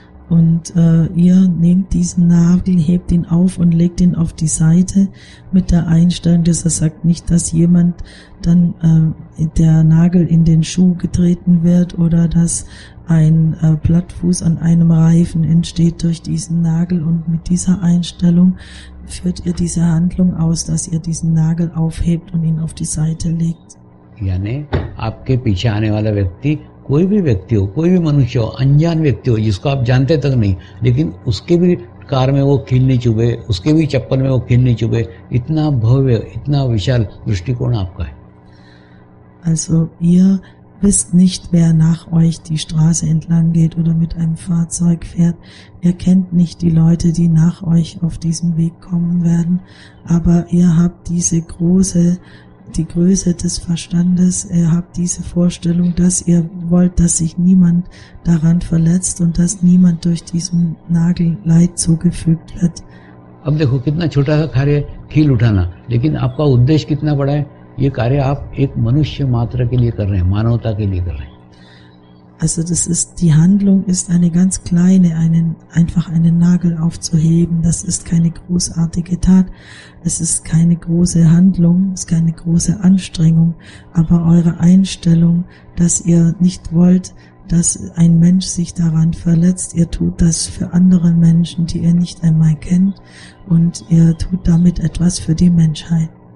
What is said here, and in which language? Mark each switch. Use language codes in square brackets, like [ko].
[de] Und ihr nehmt diesen Nagel, hebt ihn auf und legt ihn auf die Seite mit der Einstellung, dass er sagt, nicht, dass jemand dann der Nagel in den Schuh getreten wird oder dass ein Plattfuß an einem Reifen entsteht durch diesen Nagel. Und mit dieser Einstellung führt ihr diese Handlung aus, dass ihr diesen Nagel aufhebt und ihn auf die Seite legt. [hi] Ja, ne, aapke piche aane wala vyakti, कोई भी व्यक्ति हो, कोई भी मनुष्य हो, अनजान व्यक्ति हो जिसको आप जानते तक नहीं, लेकिन उसके भी कार में वो खिल नहीं चुभे, उसके भी चप्पल में वो खिल नहीं चुभे, इतना भव्य, इतना विशाल दृष्टिकोण आपका है. [de] Also ihr wisst nicht, wer nach euch die Straße entlang geht oder mit einem Fahrzeug fährt. Ihr kennt nicht die Leute, die nach euch auf diesem Weg kommen werden, aber ihr habt die Größe des Verstandes, ihr habt diese Vorstellung, dass ihr wollt, dass sich niemand daran verletzt und dass niemand durch diesen Nagel Leid zugefügt wird. [hi] अब देखो कितना छोटा सा कार्य खील उठाना, लेकिन आपका उद्देश्य कितना बड़ा है. ये कार्य आप एक मनुष्य मात्र के लिए कर रहे हैं, मानवता के लिए कर रहे हैं. [de] Also das ist, die Handlung ist eine ganz kleine, einfach einen Nagel aufzuheben. Das ist keine großartige Tat. Es ist keine große Handlung, es ist keine große Anstrengung. Aber eure Einstellung, dass ihr nicht wollt, dass ein Mensch sich daran verletzt, ihr tut das für andere Menschen, die ihr nicht einmal kennt, und ihr tut damit etwas für die Menschheit.